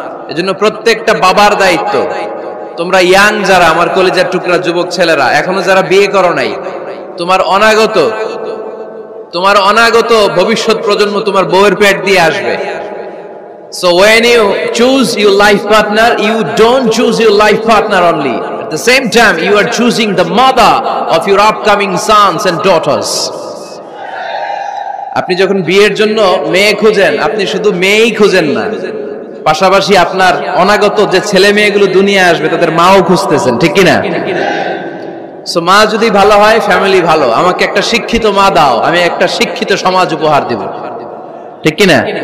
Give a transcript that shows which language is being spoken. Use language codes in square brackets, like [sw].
[bn] এজন্য প্রত্যেকটা বাবার দায়িত্ব। তোমরা ইয়াং যারা, আমার কলেজের টুকরা যুবক ছেলেরা, এখনো যারা বিয়ে করো নাই, তোমার অনাগত, তোমার অনাগত ভবিষ্যৎ প্রজন্ম তোমার বউয়ের পেট দিয়ে আসবে। [en] So when you choose your life partner, you don't choose your life partner only, the same time you are choosing the mother of your upcoming sons and daughters. [bn] আপনি যখন বিয়ের জন্য মেয়ে খুঁজেন, আপনি শুধু মেয়েই খুঁজেন না, পাশাপাশি আপনার অনাগত যে ছেলে মেয়েগুলো দুনিয়া আসবে তাদের মাও খুঁজতেছেন, ঠিক কিনা? সো মা যদি ভালো হয়, ফ্যামিলি ভালো, আমাকে একটা শিক্ষিত মা দাও, আমি একটা শিক্ষিত সমাজ উপহার দিব, ঠিক কিনা?